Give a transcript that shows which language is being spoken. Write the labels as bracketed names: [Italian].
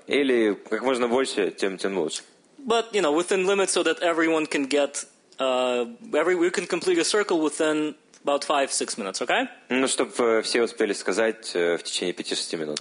[Russian] Или как можно больше, тем лучше. [English] But, you know, within limits so that everyone can get we can complete a circle within about 5-6 minutes, okay? [Russian] Ну, чтобы все успели сказать в течение 5-6 минут.